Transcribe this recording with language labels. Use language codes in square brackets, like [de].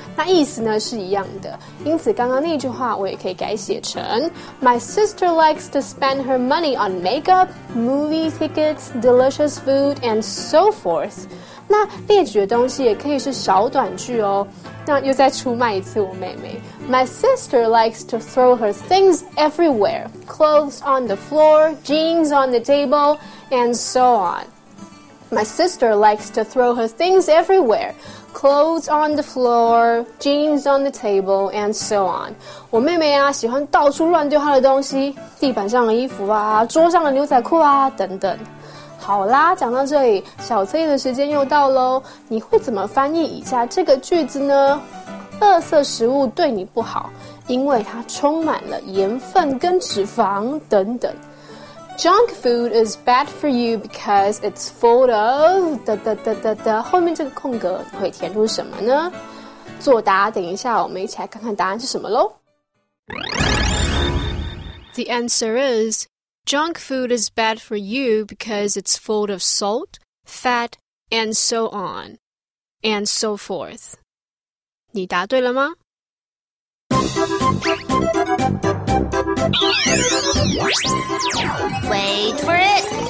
[zh] 那意思呢是一样的。因此刚刚那句话我也可以改写成 [en] My sister likes to spend her money on makeup, movie tickets, delicious food, and so forth. [zh] 那列举的东西也可以是小短句哦。那又再出卖一次我妹妹。 [en] My sister likes to throw her things everywhere. Clothes on the floor, jeans on the table, and so on. My sister likes to throw her things everywhere. Clothes on the floor, jeans on the table, and so on. [zh] 我妹妹啊，喜欢到处乱丢她的东西，地板上的衣服啊，桌上的牛仔裤啊，等等。好啦，讲到这里，小测验的时间又到咯，你会怎么翻译以下这个句子呢？垃圾食物对你不好，因为它充满了盐分跟脂肪等等。 [en] Junk food is bad for you because it's full of... [zh] 哒哒哒哒哒，后面这个空格你会填入什么呢？作答，等一下我们一起来看看答案是什么咯。 [en] The answer is... Junk food is bad for you because it's full of salt, fat, and so on, and so forth. [zh] 你答对了吗？ [en] Wait for it!